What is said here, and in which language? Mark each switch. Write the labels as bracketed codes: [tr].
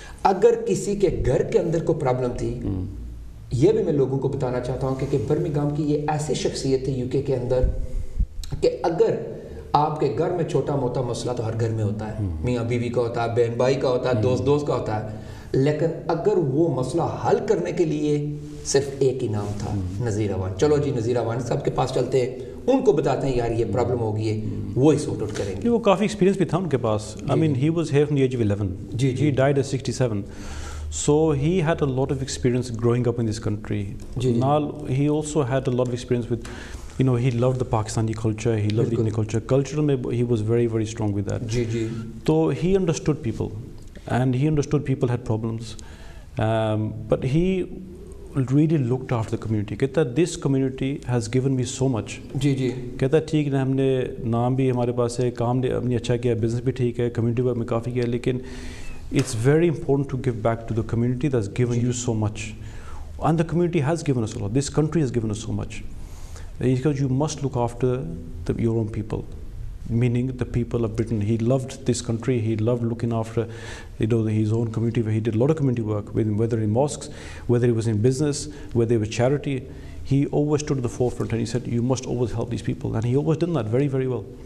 [hi] अगर किसी के घर के अंदर कोई प्रॉब्लम थी, ये भी मैं लोगों को बताना चाहता हूं कि बर्मिंघम की ये ऐसी शख्सियत थी यूके के अंदर कि अगर आपके घर में छोटा मोटा मसला तो हर घर में होता है, मियाँ बीवी का होता है, बहन भाई का होता है, दोस्त दोस्त का होता है, लेकिन अगर वो मसला हल करने के लिए सिर्फ एक ही नाम था, नजीर अवान. चलो जी नजीर अवान साहब के पास चलते हैं, उनको बताते हैं यार ये प्रॉब्लम हो गई है, वो ही सॉर्ट आउट करेंगे. वो काफी एक्सपीरियंस भी था उनके पास. [en] I mean he was here from the age of 11. जी जी. He died at 67. So he had a lot of experience growing up in this country. Now he also had a lot of experience with, you know, he loved the Pakistani culture, he loved the Indian culture. Culturally he was very very strong with that. जी जी. तो he understood people. And he understood people had problems, but he really looked after the community. Kehta, this community has given me so much. जी जी. [hi] कहता ठीक है, हमने नाम भी हमारे पास है, काम ने हमने अच्छा किया, बिजनेस भी ठीक है, कम्युनिटी वर्क में काफ़ी किया, [en] लेकिन it's very important to give back to the community that's given you so much and the community has given us a lot, this country has given us so much because you must look after the your own people. Meaning the people of Britain. He loved this country. He loved looking after, you know, his own community. Where he did a lot of community work, whether in mosques, whether he was in business, whether it was charity. He always stood at the forefront, and he said, "You must always help these people." And he always did that very, very well.